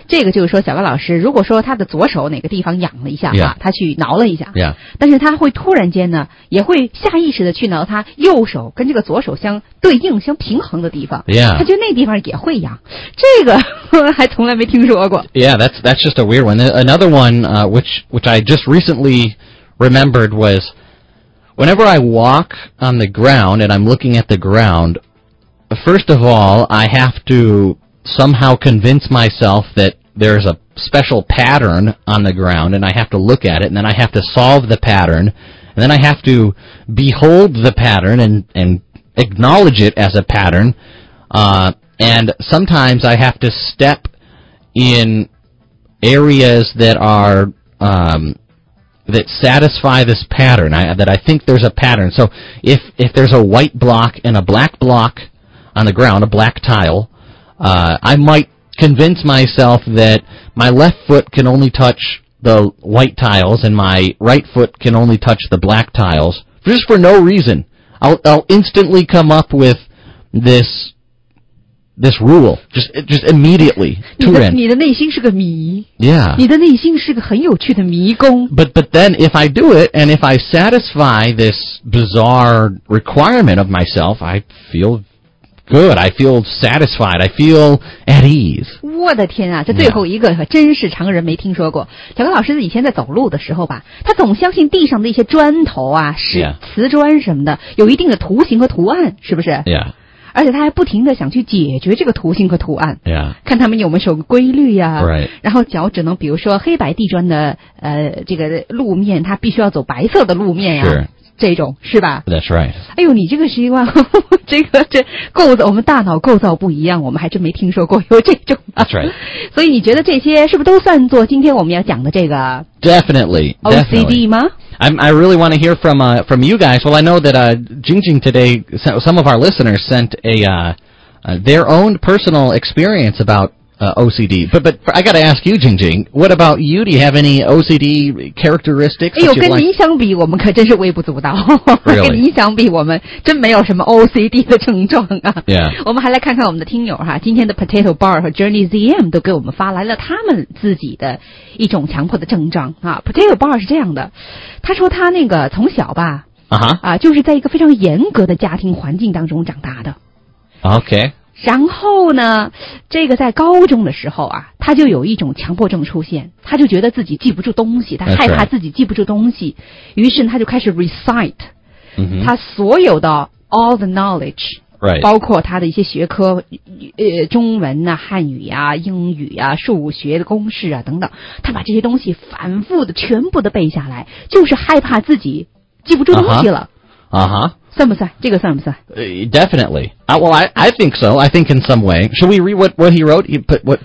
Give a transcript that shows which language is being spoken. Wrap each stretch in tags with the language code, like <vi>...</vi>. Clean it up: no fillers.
<zh>这个就是说小高老师如果说他的左手哪个地方痒了一下哈、</zh> <en>yeah.</en> <zh>他去挠了一下、</zh> <en>yeah.</en> <zh>但是他会突然间呢也会下意识的去挠他右手跟这个左手相对应相平衡的地方、</zh> <en>yeah.</en> <zh>他觉得那地方也会痒这个还从来没听说过</zh> <en>Yeah, that's just a weird one. Another one、which I just recently remembered was whenever I walk on the ground and I'm looking at the groundFirst of all, I have to somehow convince myself that there's a special pattern on the ground, and I have to look at it, and then I have to solve the pattern, and then I have to behold the pattern and acknowledge it as a pattern, and sometimes I have to step in areas that are, that satisfy this pattern, that I think there's a pattern. So if there's a white block and a black block,on the ground, a black tile, I might convince myself that my left foot can only touch the white tiles and my right foot can only touch the black tiles, just for no reason. I'll instantly come up with this rule, just immediately.</en> <zh>你的内心是个谜。</zh> <en>Yeah.</en> <zh>你的内心是个很有趣的迷宫。</zh> <en>But then if I do it, and if I satisfy this bizarre requirement of myself, I feel... Good, I feel satisfied, I feel at ease.</en> <zh>我的天啊，这最后一个真是常人没听说过。</zh> <en>Yeah.</en> <zh>小高老师以前在走路的时候吧，他总相信地上的一些砖头啊，是瓷砖什么的，有一定的图形和图案，是不是？</zh> <en>Yeah.</en> <zh>而且他还不停地想去解决这个图形和图案。</zh> <en>Yeah.</en> <zh>看他们有没有什么规律啊。</zh> <en>Right.</en> <zh>然后脚只能比如说黑白地砖的这个路面，他必须要走白色的路面啊。</zh> <en>Sure.</en> <zh>这种是吧</zh> <en>That's right.</en> <zh>哎呦你这个习惯这构造我们大脑构造不一样我们还真没听说过有这种、啊、</zh> <en>That's right.</en> <zh>所以你觉得这些是不是都算作今天我们要讲的这个</zh> <en>Definitely.</en> <zh>OCD 吗</zh> <en>I really want to hear from you guys. Well, I know that Jingjing today, some of our listeners sent their own personal experience aboutOCD. But I gotta ask you, Jingjing, what about you? Do you have any OCD characteristics?</en> <zh>哎呦，跟您相比，我们可真是微不足道。</zh> <en>Really?</en> <zh>跟您相比，我们真没有什么 OCD 的症状啊。</zh> <en>Yeah.</en> <zh>我们还来看看我们的听友哈，今天的 Potato Bar 和 Journey ZM 都给我们发来了他们自己的一种强迫的症状啊。 Potato Bar 是这样的，他说他那个从小吧、</zh> <en>uh-huh.</en> <zh>啊，就是在一个非常严格的家庭环境当中长大的。</zh> <en>Okay.</en> <zh>然后呢这个在高中的时候啊他就有一种强迫症出现他就觉得自己记不住东西他害怕自己记不住东西、</zh> <en>right.</en> <zh>于是他就开始 recite、</zh> <en>mm-hmm.</en> <zh>他所有的</zh> <en>all the knowledge、 right.</en> <zh>包括他的一些学科中文啊汉语啊英语啊数学的公式啊等等他把这些东西反复的全部的背下来就是害怕自己记不住东西了啊哈、uh-huh. uh-huh. 算不算这个算不算、</zh> <en>definitely well I think so I think in some way should we read what he wrote he put what</en>